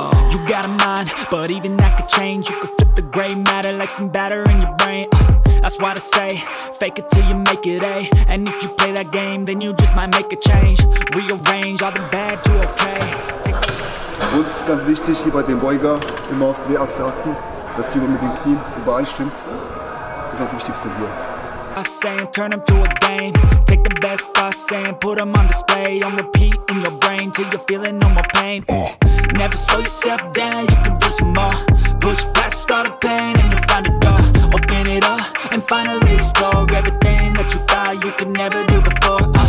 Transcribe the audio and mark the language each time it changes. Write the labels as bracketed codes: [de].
[en] You got a mind, but even that could change. You could flip the gray matter like some batter in your brain. That's what I say, fake it till you make it, eh? And if you play that game, then you just might make a change. Rearrange all the bad to okay. [de] Und ganz wichtig, hier bei dem Beuger immer auf die Achse achten, dass die mit den Knien übereinstimmt. Das ist das Wichtigste hier. [en] I say and turn them to a game. Take the best I say and put them on display. On repeat in your brain till you're feeling no more pain. Never slow yourself down, you can do some more. Push past all the pain and you'll find a door. Open it up and finally explore everything that you thought you could never do before.